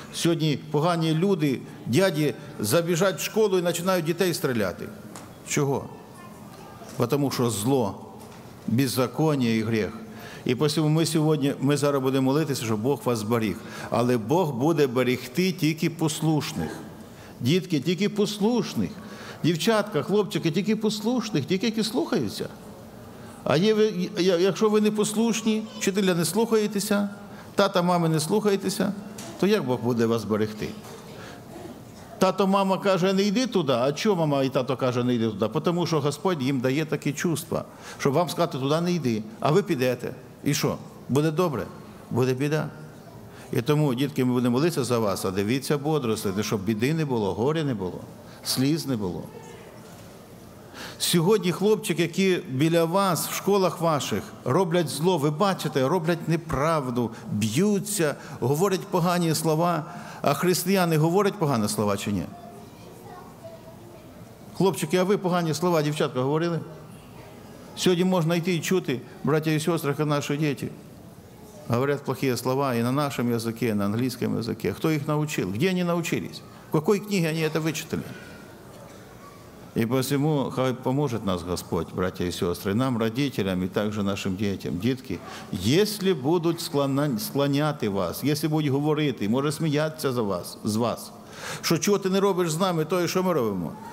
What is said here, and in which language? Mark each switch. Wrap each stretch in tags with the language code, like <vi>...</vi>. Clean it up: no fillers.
<ru>Сегодня погані люди, дяди, забежать в школу и начинают детей стрелять. Чего? Потому что зло, беззаконие и грех. И посему мы сегодня, мы зараз будем молиться, чтобы Бог вас зберег. Але Бог будет берегти только послушных. Детки, только послушных.</ru> <uk>Дівчатка, хлопчики, тільки послушних, тільки які слухаються. А є ви, якщо ви не послушні, вчителя не слухаєтеся, тата, мами не слухаєтеся, то як Бог буде вас берегти? Тато, мама каже, не йди туди. А чому мама і тато каже, не йди туди? Тому що Господь їм дає такі чувства, щоб вам сказати, туди не йди, а ви підете. І що? Буде добре? Буде біда. І тому, дітки, ми будемо молитися за вас, а дивіться бодрости, щоб біди не було, горя не було. Сліз не було. Сьогодні хлопчики, які біля вас, в школах ваших, роблять зло, ви бачите, роблять неправду, б'ються, говорять погані слова, а християни говорять погані слова чи ні? Хлопчики, а ви погані слова, дівчатка, говорили? Сьогодні можна йти і чути, братя і сестри, як наші діти, говорять плохі слова і на нашому язикі, і на англійському язикі. Хто їх навчив? Де вони навчились? В якій книгі вони це вичитали?</uk> <ru>И посему, хай поможет нас Господь, братья и сестры, нам, родителям, и также нашим детям. Детки, если будут склонять вас, если будут говорить, может смеяться за вас, с вас, что чего ты не робишь с нами, то и что мы робим?</ru>